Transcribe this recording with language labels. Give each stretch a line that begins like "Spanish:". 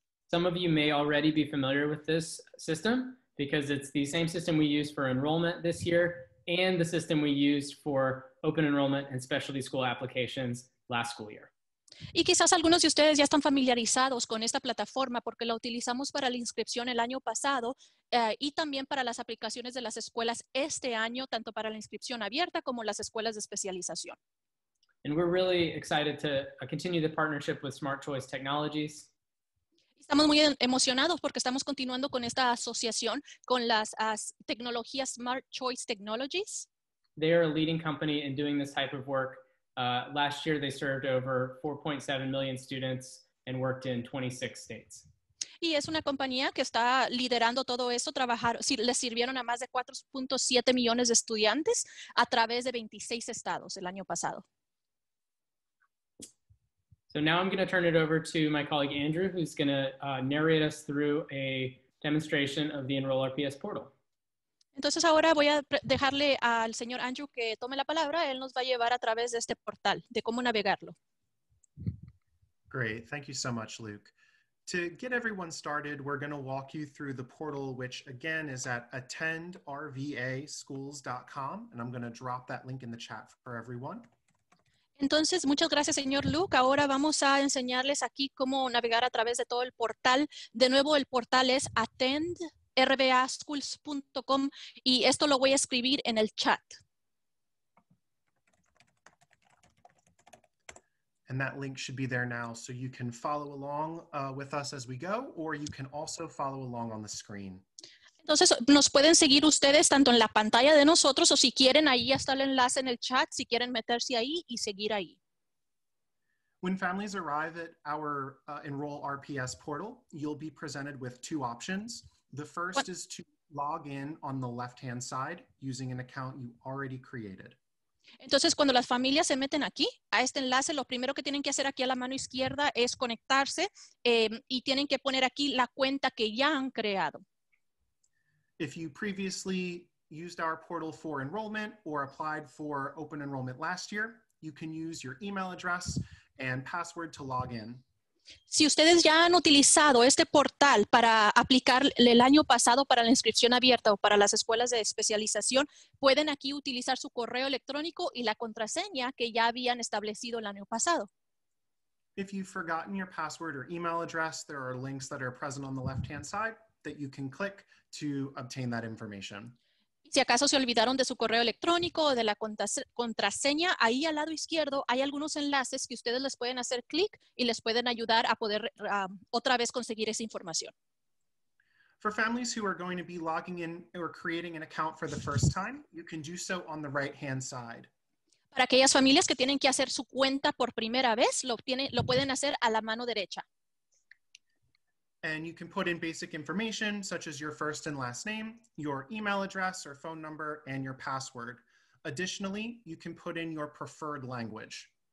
English: Some of you may already be familiar with this system because it's the same system we use for enrollment this year and the system we used for open enrollment and specialty school applications last school year.
Spanish: Y quizás algunos de ustedes ya están familiarizados con esta plataforma porque la utilizamos para la inscripción el año pasado y también para las aplicaciones de las escuelas este año, tanto para la inscripción abierta como las escuelas de especialización.
English: And we're really excited to continue the partnership with Smart Choice Technologies.
Spanish: Estamos muy emocionados porque estamos continuando con esta asociación con las tecnologías Smart Choice Technologies.
English: They are a leading company in doing this type of work. Last year, they served over 4.7 million students and worked in 26 states.
Spanish: Y es una compañía que está liderando todo esto, le sirvieron a más de 4.7 millones de estudiantes a través de 26 estados el año pasado.
English: So now I'm going to turn it over to my colleague Andrew, who's going to narrate us through a demonstration of the Enroll RPS portal.
Spanish: Entonces ahora voy a dejarle al señor Andrew que tome la palabra. Él nos va a llevar a través de este portal, de cómo navegarlo.
English: Great. Thank you so much, Luke. To get everyone started, we're going to walk you through the portal, which again is at attendrvaschools.com. And I'm going to drop that link in the chat for everyone.
Spanish: Entonces, muchas gracias, señor Luke. Ahora vamos a enseñarles aquí cómo navegar a través de todo el portal. De nuevo, el portal es attendrvaschools.com y esto lo voy a escribir en el chat.
English: And that link should be there now, so you can follow along with us as we go, or you can also follow along on the screen.
Spanish: Entonces, nos pueden seguir ustedes tanto en la pantalla de nosotros o si quieren, ahí está el enlace en el chat, si quieren meterse ahí y seguir ahí.
English: When families arrive at our Enroll RPS portal, you'll be presented with two options. The first is to log in on the left-hand side using an account you already created.
Spanish: Entonces, cuando las familias se meten aquí, a este enlace, lo primero que tienen que hacer aquí a la mano izquierda es conectarse y tienen que poner aquí la cuenta que ya han creado.
English: If you previously used our portal for enrollment or applied for open enrollment last year, you can use your email address and password to log in.
Spanish: Si ustedes ya han utilizado este portal para aplicar el año pasado para la inscripción abierta o para las escuelas de especialización, pueden aquí utilizar su correo electrónico y la contraseña que ya habían establecido el año pasado.
English: If you've forgotten your password or email address, there are links that are present on the left-hand side that you can click to obtain that information.
Spanish: Si acaso se olvidaron de su correo electrónico o de la contraseña, ahí al lado izquierdo hay algunos enlaces que ustedes les pueden hacer clic y les pueden ayudar a poder otra vez conseguir esa información.
English: For families who are going to be logging in or creating an account for the first time, you can do so on the right-hand side.
Spanish: Para aquellas familias que tienen que hacer su cuenta por primera vez, lo pueden hacer a la mano derecha.
English: And you can put in basic information, such as your first and last name, your email address or phone number, and your password. Additionally, you can put in your preferred language.